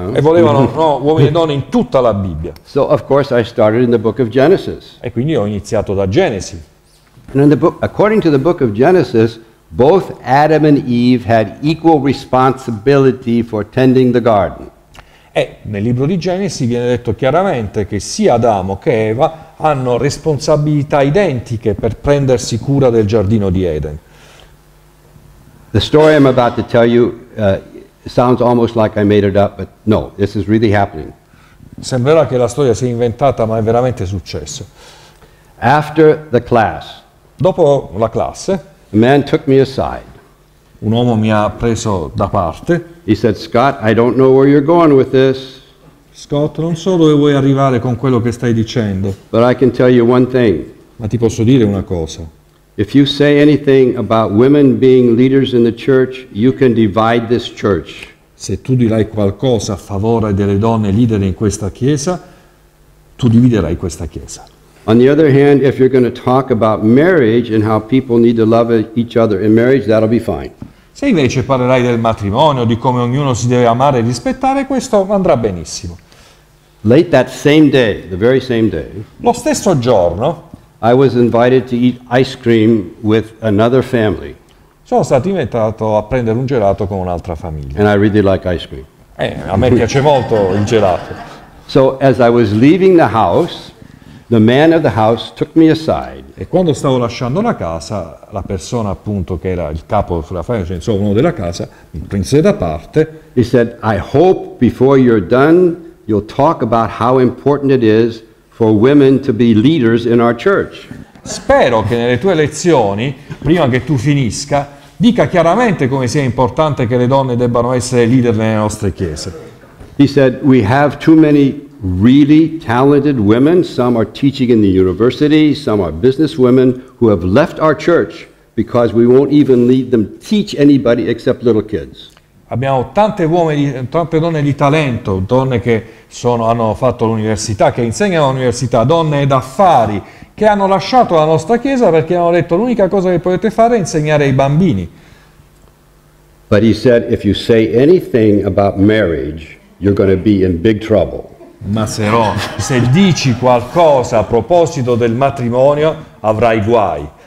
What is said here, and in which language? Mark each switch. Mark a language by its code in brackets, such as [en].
[it] E volevano uomini e donne in tutta la Bibbia. [en] So of course I started in the book of Genesis. [it] E quindi ho iniziato da Genesi. [en] And in the book, according to the book of Genesis, both Adam and Eve had equal responsibility for tending the garden. [it] E nel libro di Genesi viene detto chiaramente che sia Adamo che Eva hanno responsabilità identiche per prendersi cura del giardino di Eden. [en] The story I'm about to tell you sounds almost like I made it up, but no, this is really happening. [it] Sembrerà che la storia sia inventata, ma è veramente successo. [en] After the class, [it] dopo la classe, [en] a man took me aside. [it] Un uomo mi ha preso da parte. [en] He said, "Scott, I don't know where you're going with this." [it] Scott, non so dove vuoi arrivare con quello che stai dicendo. [en] But I can tell you one thing. [it] Ma ti posso dire una cosa. [en] If you say anything about women being leaders in the church, you can divide this church. [it] Se tu dirai qualcosa a favore delle donne leader in questa chiesa, tu dividerai questa chiesa. [en] On the other hand, if you're going to talk about marriage and how people need to love each other in marriage, that'll be fine. [it] Se invece parlerai del matrimonio, di come ognuno si deve amare e rispettare, questo andrà benissimo. [en] Late that same day, the very same day, [it] lo stesso giorno, [en] I was invited to eat ice cream with another family. [it] Sono stato invitato a prendere un gelato con un'altra famiglia. [en] And I really like ice cream. [it] A me piace molto il gelato. [en] So as I was leaving the house, the man of the house took me aside. [it] E quando stavo lasciando la casa, la persona appunto che era il capo della famiglia, cioè insomma uno della casa, mi prese da parte. [en] He said, "I hope before you're done, you'll talk about how important it is for women to be leaders in our church." [it] Spero che nelle tue lezioni, prima che tu finisca, dica chiaramente come sia importante che le donne debbano essere leader nelle nostre chiese. [en] He said, "We have too many really talented women, some are teaching in the university, some are business women who have left our church because we won't even let them teach anybody except little kids." [it] Abbiamo tante donne di talento, donne che hanno fatto l'università, che insegnano all'università, donne d'affari che hanno lasciato la nostra chiesa perché hanno detto l'unica cosa che potete fare è insegnare ai bambini. [en] But he said, "If you say anything about marriage, you're going to be in big trouble." [it] Ma se dici qualcosa a proposito del matrimonio, avrai guai.